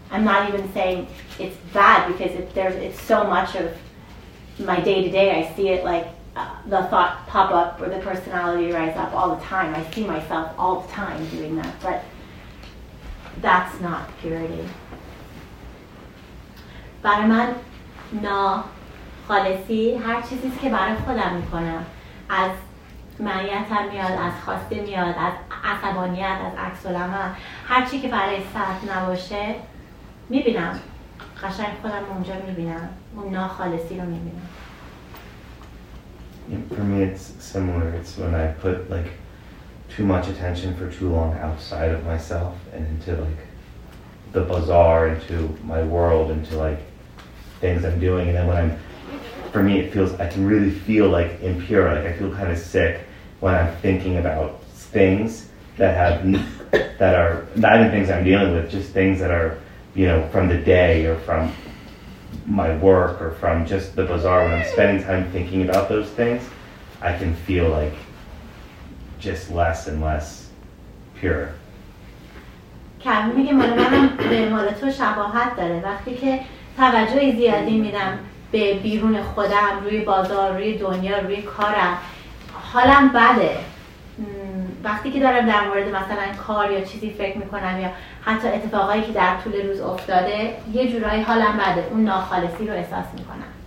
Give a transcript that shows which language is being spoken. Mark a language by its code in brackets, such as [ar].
[en] I'm not even saying it's bad, because it's so much of my day to day. I see it like the thought pop up or the personality rise up all the time. I see myself all the time doing that, but that's not purity. [fa] برای من ناخالصی هر چیزی است که برای خودم میکنم، از منیتم میاد، از خواسته میاد، از عصبانیت، از عکس العمل، هر چیزی که برای صحت نباشه میبینم، قشنگ خودم اونجا میبینم، اون ناخالصی رو میبینم. [en] For me it's similar. It's when I put like too much attention for too long outside of myself and into like the bazaar, into my world, into like things I'm doing, and then when I'm, for me, it feels, I can really feel like impure, like I feel kind of sick when I'm thinking about things that have, that are not even things I'm dealing with, just things that are, you know, from the day or from my work or from just the bazaar. When I'm spending time thinking about those things, I can feel like just less and less pure. [fa] کمی میگه مال منم به مال تو شباهت داره. وقتی که توجه زیادی میدم به بیرون خودم، روی بازار، روی دنیا، روی کارم، حالم بده. وقتی که دارم در مورد مثلا کار یا چیزی فکر میکنم یا حتی اتفاقایی که در طول روز افتاده، یه جورایی حالم بده، اون ناخالصی رو احساس میکنم.